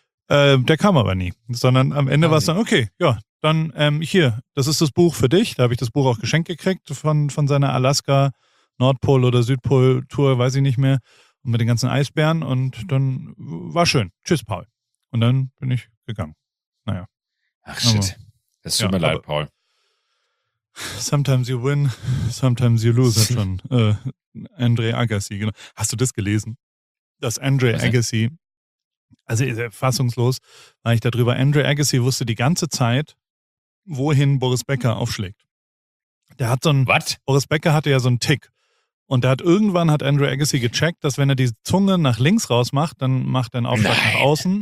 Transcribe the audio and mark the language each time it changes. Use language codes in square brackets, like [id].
[de] Der kam aber nie. Sondern am Ende war es dann, okay, ja, dann hier, das ist das Buch für dich. Da habe ich das Buch auch geschenkt gekriegt von seiner Alaska Nordpol oder Südpol Tour, weiß ich nicht mehr. Und mit den ganzen Eisbären. Und dann war schön. Tschüss, Paul. Und dann bin ich gegangen. Naja. Ach, shit. Es tut mir leid, Paul. [en] Sometimes you win, sometimes you lose. [de] Hat schon Andre Agassi. Genau. Hast du das gelesen? Dass Andre Agassi, also fassungslos war ich darüber. Andre Agassi wusste die ganze Zeit, wohin Boris Becker aufschlägt. Der hat so ein. [en] What? [de] Boris Becker hatte ja so einen Tick. Und der hat irgendwann Andre Agassi gecheckt, dass wenn er die Zunge nach links rausmacht, dann macht er einen Aufschlag nach außen.